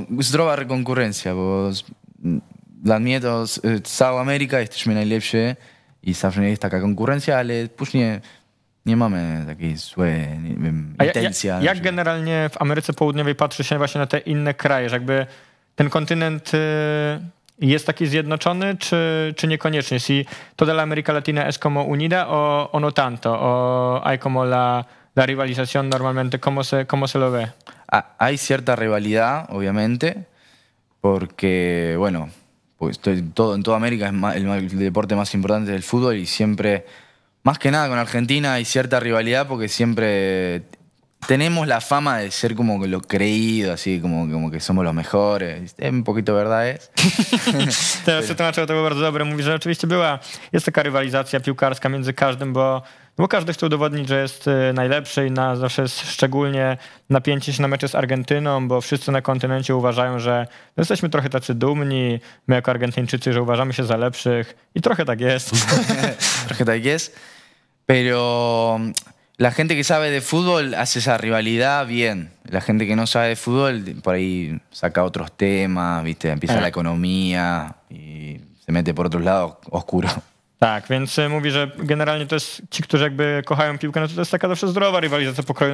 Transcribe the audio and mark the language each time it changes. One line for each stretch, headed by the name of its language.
Polish: Zdrowa konkurencja, bo dla mnie to cała Ameryka, jesteśmy najlepsi i zawsze jest taka konkurencja, ale później... Nie mamy takiej złej intencji. Jak generalnie w Ameryce Południowej patrzy się właśnie na te inne kraje? Że jakby ten kontynent jest taki zjednoczony, czy niekoniecznie?
Spanish: Si toda la América Latina es como unida o no tanto? O hay como la rivalización normalmente? ¿Cómo se lo ve? Hay cierta rivalidad, obviamente, porque, bueno, pues todo, en toda América es el deporte más importante del fútbol y siempre... Más que nada con Argentina hay cierta rivalidad porque siempre tenemos la fama de ser como lo creído, así como que somos los mejores. Es un poquito verdad, ¿es? Pero...
Polish: Te tłumaczę tego bardzo dobre. Mówisz, że oczywiście była, jest taka rywalizacja piłkarska między każdym, bo każdy chce udowodnić, że jest najlepszy i zawsze jest szczególnie napięcie się na mecze z Argentyną, bo wszyscy na kontynencie uważają, że jesteśmy trochę tacy dumni, my jako Argentyńczycy, że uważamy się za lepszych i trochę tak jest. Trochę tak jest,
Spanish: pero la gente que sabe de fútbol hace esa rivalidad bien. La gente que no sabe de fútbol por ahí saca otros temas, viste, empieza la economía y se mete por otros lados oscuros.
Polish: Tak, więc mówi, że generalnie to jest ci, którzy jakby kochają piłkę, no to jest taka zawsze zdrowa rywalizacja pokroju.